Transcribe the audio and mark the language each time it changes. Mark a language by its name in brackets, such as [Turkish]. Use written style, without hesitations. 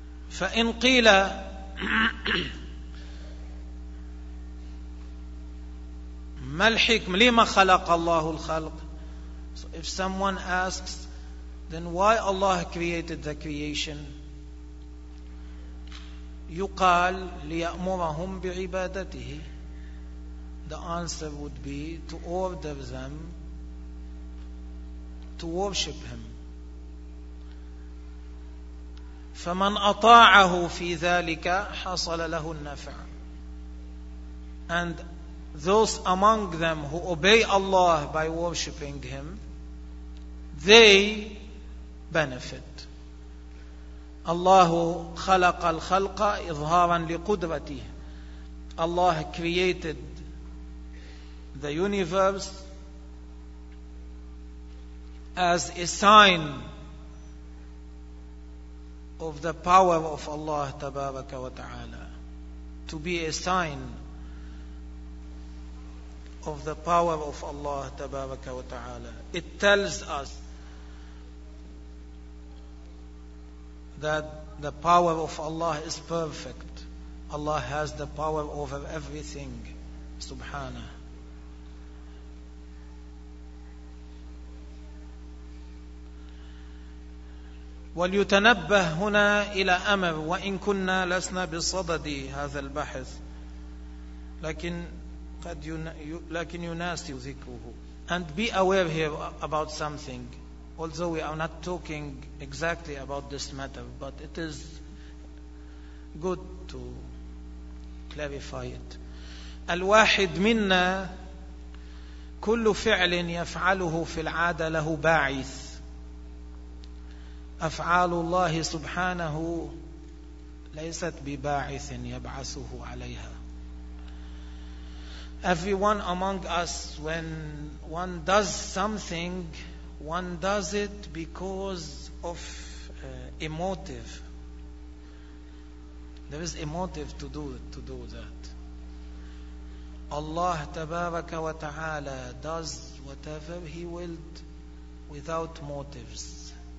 [Arabic] فإن قيل ما الحكم لما خلق الله الخلق. [English] So if someone asks, then why Allah created the creation? [Arabic] يقال ليأمرهم بعبادته. [English] The answer would be to order them to worship him. [Arabic] فمن أطاعه في ذلك حصل له النفع. [English] And those among them who obey Allah by worshiping him, they benefit. [Arabic] Allah خلق الخلق إظهارا لقدرته. [English] Allah created the universe as a sign of the power of Allah [Arabic] تبارك وتعالى, [English] to be a sign of the power of Allah تبارك وتعالى. It tells us that the power of Allah is perfect. Allah has the power over everything, subhanahu. [Arabic] وليتنبه هنا إلى أمر، وإن كنا لسنا بصدد هذا البحث لكن قد لكن يناسي ذكره. [English] And be aware here about something, although we are not talking exactly about this matter, but it is good to clarify it. [Arabic] الواحد منا كل فعل يفعله في العادة له باعث. أفعال الله سبحانه ليست بباعث يبعثه عليها. [English] Everyone among us, when one does something, one does it because of a motive. There is a motive to do that. Allah [Arabic] tabaraka wa ta'ala [English] does whatever He willed without motives.